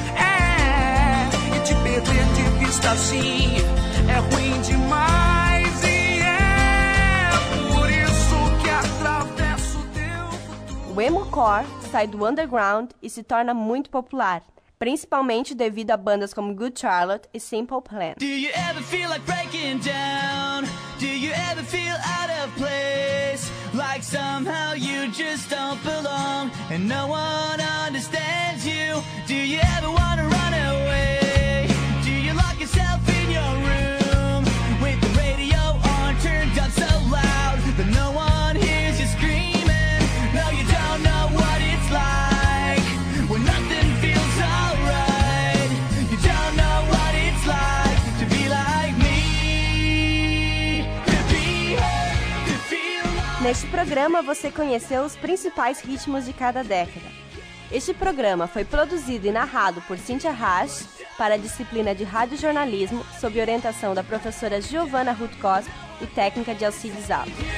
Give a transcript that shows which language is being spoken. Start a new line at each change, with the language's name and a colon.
Portuguese: É, e te perder de vista assim é ruim demais. E é por isso que atravesso teu futuro. O emocore sai do underground e se torna muito popular, principalmente devido a bandas como Good Charlotte e Simple Plan.
English: Do you ever feel like breaking down? Do you ever feel out of place? Like somehow you just don't belong and no one understands you? Do you ever wanna run away? Do you lock yourself in your room with the radio on turned up so loud that no one hears you screaming? No, you don't know what it's like when nothing feels alright. You don't know what it's like to be like me, to be, to feel like...
Portuguese: Neste programa você conheceu os principais ritmos de cada década. Este programa foi produzido e narrado por Cíntia Rasch para a disciplina de radiojornalismo, sob orientação da professora Giovanna Ruth Cosp e técnica de Alcides Alves.